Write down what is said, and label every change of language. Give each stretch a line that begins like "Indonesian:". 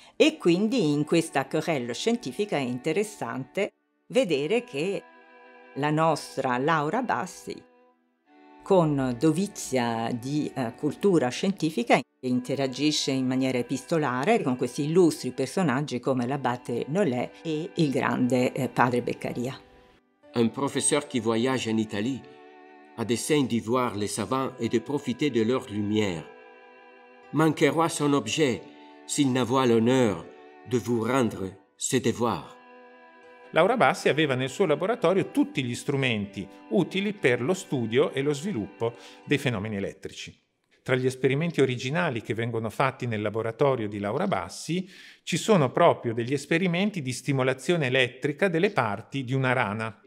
Italian: E quindi in questa querelle scientifica è interessante vedere che la nostra Laura Bassi, con dovizia di cultura scientifica, interagisce in maniera epistolare con questi illustri personaggi come l'abate Nollet e il grande padre Beccaria.
French: Un professeur qui voyage en Italie a dessein di voir les savants et de profiter de leur lumière. Manquera son objet s'il n'avoit l'honneur de vous rendre ses devoirs.
Italian: Laura Bassi aveva nel suo laboratorio tutti gli strumenti utili per lo studio e lo sviluppo dei fenomeni elettrici. Tra gli esperimenti originali che vengono fatti nel laboratorio di Laura Bassi ci sono proprio degli esperimenti di stimolazione elettrica delle parti di una rana.